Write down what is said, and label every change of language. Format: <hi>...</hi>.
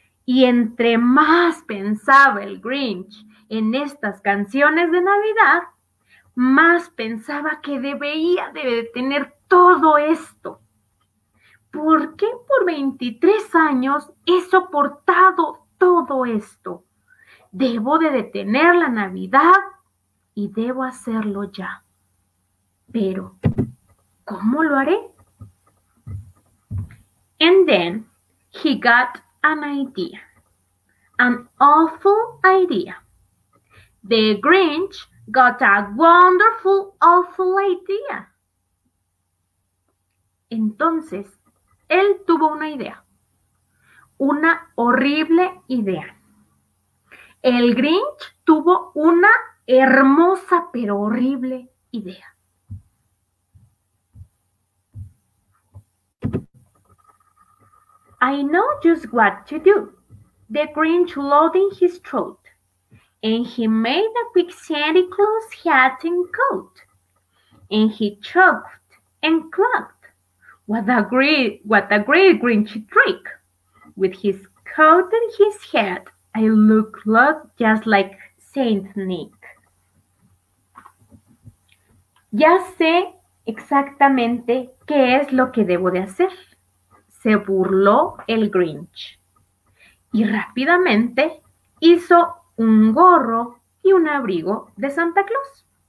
<es>Y entre más pensaba el Grinch en estas canciones de Navidad, más pensaba que debía de detener todo esto. ¿Por qué por 23 años he soportado todo esto? Debo de detener la Navidad y debo hacerlo ya. Pero, ¿cómo lo haré?</es> <en>And then he got an idea. An awful idea. The Grinch Got a wonderful, awful idea.</en> <es>Entonces, él tuvo una idea. Una horrible idea. El Grinch tuvo una hermosa pero horrible idea.</es> <en>I know just what to do. The Grinch loading his throat. And he made a quick Santa Claus hat and coat. And he choked and clucked. What a great Grinch trick. With his coat and his hat, I look just like Saint Nick.</en> <es>Ya sé exactamente qué es lo que debo de hacer. Se burló el Grinch. Y rápidamente hizo un gorro y un abrigo de Santa Claus.</es>